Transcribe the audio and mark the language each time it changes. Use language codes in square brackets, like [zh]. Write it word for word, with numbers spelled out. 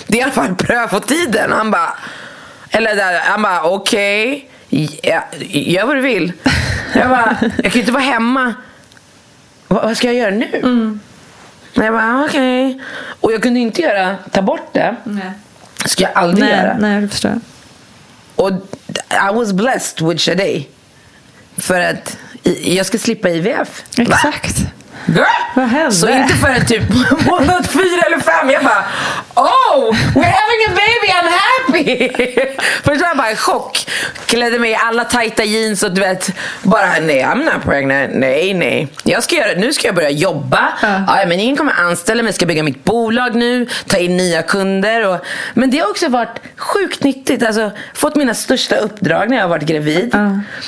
[sv] Det är i alla fall prövotiden. Och han bara, eller där, han bara, okej okay. Ja, gör vad du vill. Jag bara, jag kan inte vara hemma. Vad, vad ska jag göra nu? Mm. Jag bara, okej okay. Och jag kunde inte göra, ta bort det. Nej. Ska jag aldrig nej, göra. Nej, jag förstår. Och [en] I was blessed with Shadej. [sv] För att jag ska slippa I V F. Exakt. Va? [en] Girl. [sv] Vad hände? Så inte förrän typ månad fyra eller fem. Jag bara, [en] oh, we're having a baby, I'm happy. [sv] Först var jag bara i chock. Klädde mig i alla tajta jeans och du vet, bara nej, [en] I'm not pregnant. [sv] Nej, nej, jag ska göra, nu ska jag börja jobba. uh. Ja, men ingen kommer anställa mig, jag ska bygga mitt bolag nu. Ta in nya kunder och, men det har också varit sjukt nyttigt alltså, fått mina största uppdrag när jag har varit gravid. uh.